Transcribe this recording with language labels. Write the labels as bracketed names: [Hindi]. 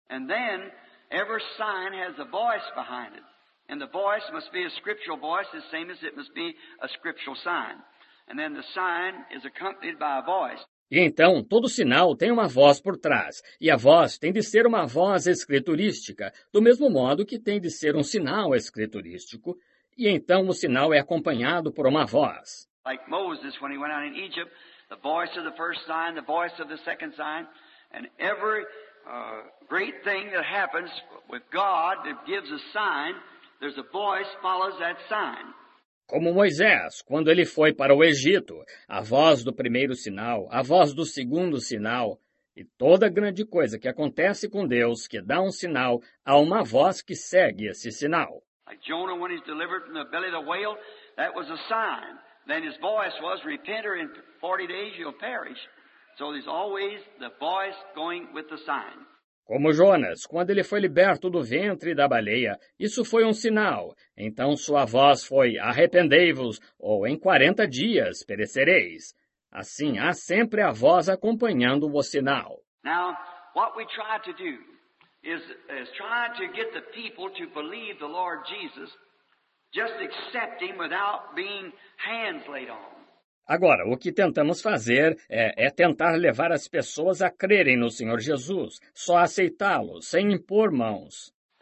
[English] And then, every sign has a voice behind it. And the voice must be a scriptural voice, the same as it must be a scriptural sign. And then the sign is accompanied by a voice. [Portuguese] E então, todo sinal tem uma voz por trás, e a voz tem de ser uma voz escriturística, do mesmo modo que tem de ser um sinal escriturístico, e então o sinal é acompanhado por uma voz. [English] Like Moses, when he went out in Egypt, the voice of the first sign, the voice of the second sign, and every great thing that happens with God that gives a sign, there's a voice follows that sign. [Portuguese] Como Moisés, quando ele foi para o Egito, a voz do primeiro sinal, a voz do segundo sinal, e toda grande coisa que acontece com Deus, que dá um sinal, há uma voz que segue esse sinal. [English] Like Jonah, when he's delivered from the belly of the whale, that was a sign. Then his voice was, repent or in 40 days you'll perish. So there's always the voice going with the sign. [Portuguese] Como Jonas, quando ele foi liberto do ventre da baleia, isso foi um sinal. Então sua voz foi, arrependei-vos, ou em 40 dias perecereis. Assim, há sempre a voz acompanhando o sinal. [English] Now, what we try to do is try to get the people to believe the Lord Jesus, just accept him without being hands laid on. [Portuguese] Agora, o que tentamos fazer é tentar levar as pessoas a crerem no Senhor Jesus, só aceitá-lo, sem impor mãos.